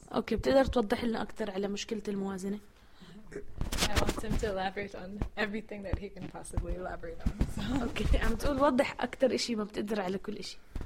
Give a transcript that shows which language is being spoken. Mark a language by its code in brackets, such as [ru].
[ar] Okay, بتقدر توضح لنا أكثر على مشكلة الموازنة؟ [en] I want him to elaborate on everything that he can possibly elaborate on. So. [ar] Okay, عم تقول وضح أكثر إشي ما بتقدر على كل إشي.